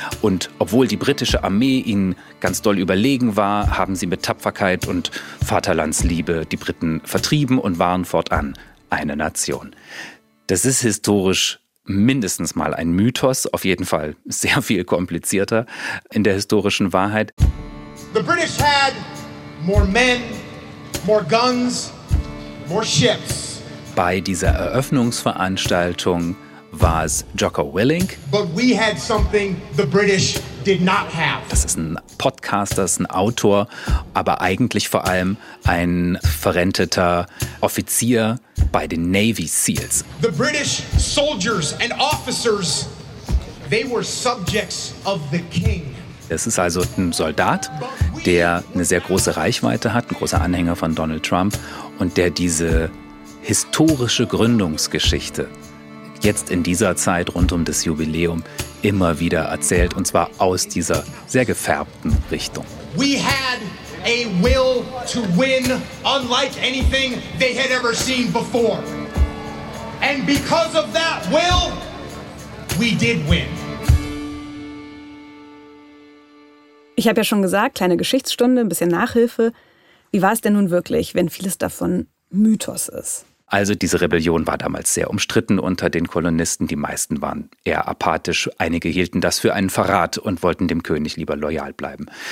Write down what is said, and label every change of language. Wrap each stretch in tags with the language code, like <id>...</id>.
<de>Und obwohl die britische Armee ihnen ganz doll überlegen war, haben sie mit Tapferkeit und Vaterlandsliebe die Briten vertrieben und waren fortan eine Nation. Das ist historisch mindestens mal ein Mythos, auf jeden Fall sehr viel komplizierter in der historischen Wahrheit.</de> <en>The British had more men, more guns, more ships.</en> <de>Bei dieser Eröffnungsveranstaltung war es Jocko Willink.</de> <en>But we had something the British did not have.</en> <de>Das ist ein Podcaster, ist ein Autor, aber eigentlich vor allem ein verrenteter Offizier bei den Navy Seals.</de> <en>The British soldiers and officers, they were subjects of the king.</en> <de>Es ist also ein Soldat, der eine sehr große Reichweite hat, ein großer Anhänger von Donald Trump und der diese historische Gründungsgeschichte jetzt in dieser Zeit rund um das Jubiläum immer wieder erzählt und zwar aus dieser sehr gefärbten Richtung.</de> <en>We had a will to win unlike anything they had ever seen before. And because of that will, we did win.</en> <de>Ich habe ja schon gesagt, kleine Geschichtsstunde, ein bisschen Nachhilfe. Wie war es denn nun wirklich, wenn vieles davon Mythos ist? Also diese Rebellion war damals sehr umstritten unter den Kolonisten. Die meisten waren eher apathisch. Einige hielten das für einen Verrat und wollten dem König lieber loyal bleiben.</de>